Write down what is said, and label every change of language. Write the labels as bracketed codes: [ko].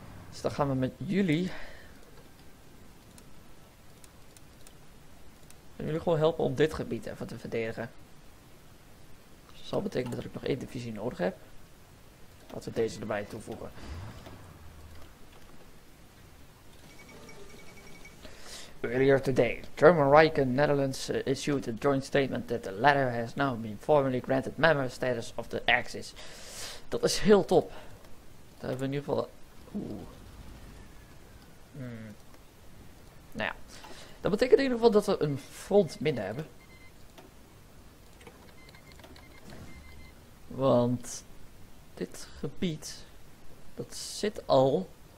[nl] Dus dan gaan we met jullie. En jullie gewoon helpen om dit gebied even te verdedigen. Dat zal betekenen dat ik nog één divisie nodig heb. Laten we deze erbij toevoegen. [en] Earlier today, German Reich and Netherlands issued a joint statement that the latter has now been formally granted member status of the Axis. [nl] Dat is heel top. Dat hebben we in ieder geval... Nou ja. Dat betekent in ieder geval dat we een front minder hebben. Want dit gebied, dat zit al...